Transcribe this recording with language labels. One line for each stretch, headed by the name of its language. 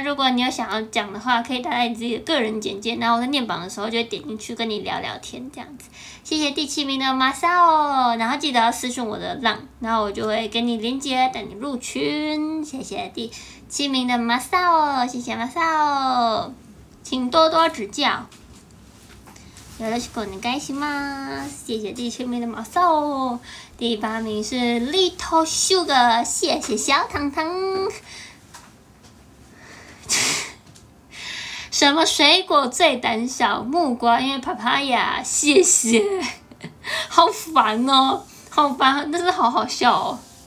Chinese: 如果你有想要讲的话，可以打在你自己的个人简介，然后我在念榜的时候就会点进去跟你聊聊天这样子。谢谢第七名的马萨哦，然后记得要私讯我的浪，然后我就会给你连接等你入群。谢谢第七名的马萨哦，谢谢马萨哦，请多多指教。
Japanese: よろしくお願いします。
Chinese: 谢谢第七名的马萨哦。第八名是 Little Sugar， 谢谢小糖糖。什么水果最胆小？木瓜，因为 papaya， 谢谢。好烦哦，好烦，但是好好笑哦。